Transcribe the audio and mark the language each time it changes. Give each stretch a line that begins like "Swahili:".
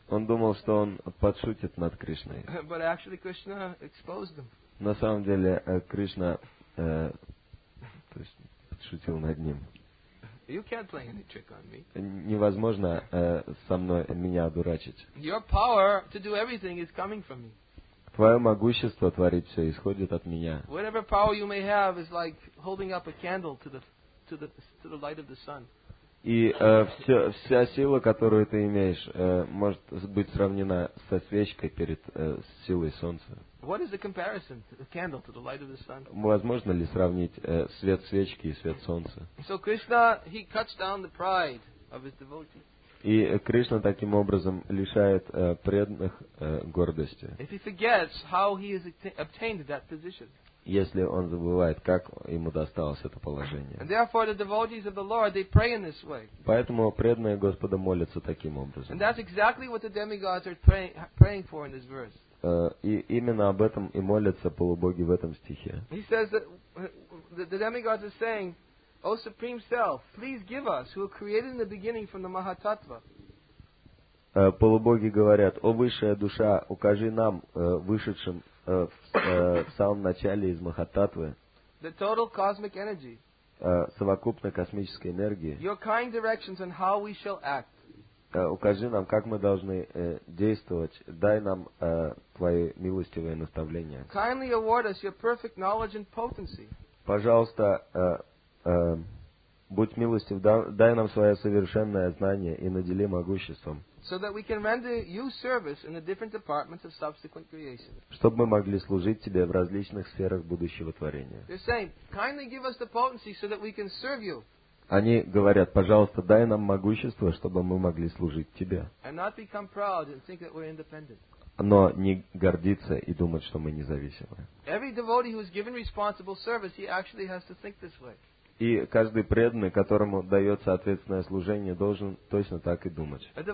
Russian: Он думал, что он подшутит над Кришной.
English: But actually Krishna exposed them.
Russian: На самом деле Кришна то есть, подшутил над ним.
English: You can't play any trick on me.
Russian: Невозможно со мной меня одурачить.
English: Your power to do everything is coming from me.
Russian: Твое могущество творить все исходит от меня.
English: Whatever power you may have is like holding up a candle to the light of the sun.
Russian: И вся сила, которую ты имеешь, может быть сравнена со свечкой перед силой солнца.
English: What is the comparison, the candle to the light of the sun?
Russian: Возможно ли сравнить свет свечки и свет солнца?
English: So Krishna, he cuts down the pride of his devotees.
Russian: И Кришна таким образом лишает преданных гордости.
English: If he forgets how he has obtained that position.
Russian: Если он забывает, как ему досталось это положение.
English: And therefore the devotees of the Lord, they pray in this way.
Russian: Поэтому преданные Господа молятся таким образом.
English: And that's exactly what the demigods are praying for in this verse.
Russian: И именно об этом и молятся полубоги в этом стихе.
English: He says that the demigods are saying, O Supreme Self, please give us, who were created in the beginning from the Mahatattva.
Russian: Полубоги говорят, о высшая душа, укажи нам, вышедшим в самом начале из Махататвы,
English: the total cosmic energy,
Russian: совокупной космической энергии,
English: your kind directions on how we shall act.
Russian: Укажи нам, как мы должны действовать, дай нам твои милостивые наставления.
English: Kindly award us your perfect knowledge and potency.
Russian: Пожалуйста, будь милостив, дай нам свое совершенное знание и надели могуществом.
English: So that we can render you service in the different departments of subsequent creation.
Russian: Чтобы мы могли служить тебе в различных сферах будущего творения.
English: They're saying, kindly give us the potency so that we can serve you.
Russian: Они говорят, пожалуйста, дай нам могущество, чтобы мы могли служить тебе.
English: And not become proud and think that we're independent.
Russian: Но не гордиться и думать, что мы независимы.
English: Every devotee who is given responsible service, he actually has to think this way.
Russian: И каждый преданный, которому дается ответственное служение, должен точно так и думать.